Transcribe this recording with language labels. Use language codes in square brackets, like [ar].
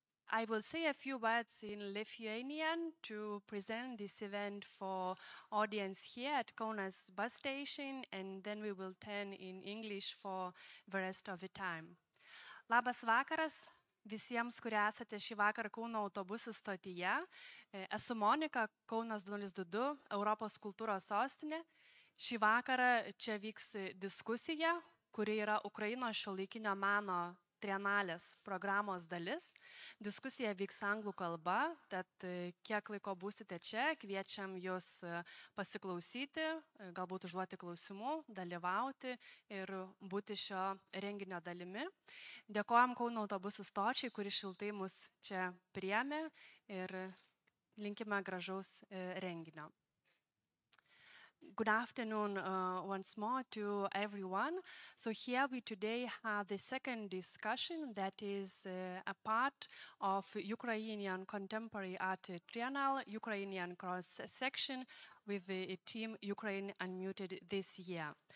[en] I will say a few words in Lithuanian to present this event for audience here at Kaunas bus station, and then we will turn in English for the rest of the time. [lt] Labas vakaras visiems, kurie esate šį vakarą Kauno autobusų stotyje. Esu Monika, Kaunas 202, Europos kultūros sostinė. Šį vakarą čia vyks diskusija, kuri yra Ukrainos šiuolaikinio meno trienalės programos dalis. Diskusija vyks anglų kalba, tad kiek laiko būsite čia, kviečiam jūs pasiklausyti, galbūt užduoti klausimų, dalyvauti ir būti šio renginio dalimi. Dėkojam Kauno autobusų stočiai, kuri šiltai mus čia priėmė ir linkime gražaus renginio. [en] Good afternoon once more to everyone. So here we today have the second discussion that is a part of Ukrainian Contemporary Art Triennale, Ukrainian Cross Section with the team Ukraine Unmuted this year.